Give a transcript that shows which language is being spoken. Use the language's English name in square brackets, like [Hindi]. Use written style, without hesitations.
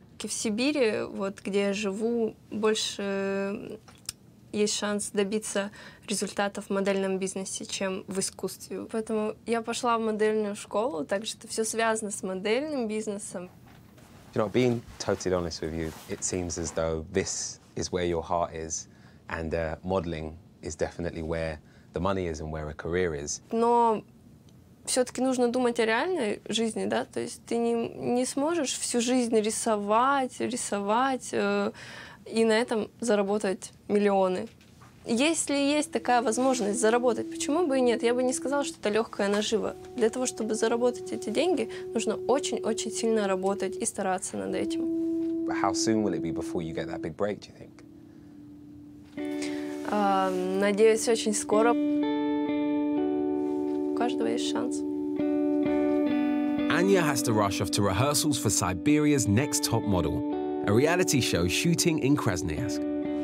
[Russian] В Сибири, вот где я живу, больше есть шанс добиться результатов в модельном бизнесе, чем в искусстве. Поэтому я пошла в модельную школу, так что все связано с модельным бизнесом. [English] You know, being totally honest with you, it seems as though this is where your heart is, and modeling is definitely where the money is and where a career is. [Russian] Но все-таки нужно думать о реальной жизни, да? То есть ты не сможешь всю жизнь рисовать и на этом заработать миллионы. Если есть такая возможность заработать, почему бы и нет? Я бы не сказала, что это легкая нажива. Для того, чтобы заработать эти деньги, нужно очень-очень сильно работать и стараться над этим. [English] How soon will it be before you get that big break, do you think? [Russian] Надеюсь, очень скоро. [English] Anya has to rush off to rehearsals for Siberia's Next Top Model, a reality show shooting in Krasnoyarsk.